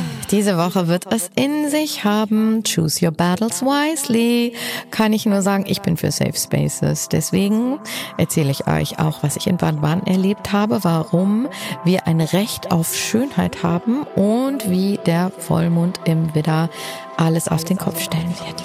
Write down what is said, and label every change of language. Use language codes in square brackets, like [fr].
[de] Diese Woche wird es in sich haben. [en] Choose your battles wisely. [de] Kann ich nur sagen, ich bin für Safe Spaces. Deswegen erzähle ich euch auch, was ich in Baden-Baden erlebt habe, warum wir ein Recht auf Schönheit haben und wie der Vollmond im Widder alles auf den Kopf stellen wird.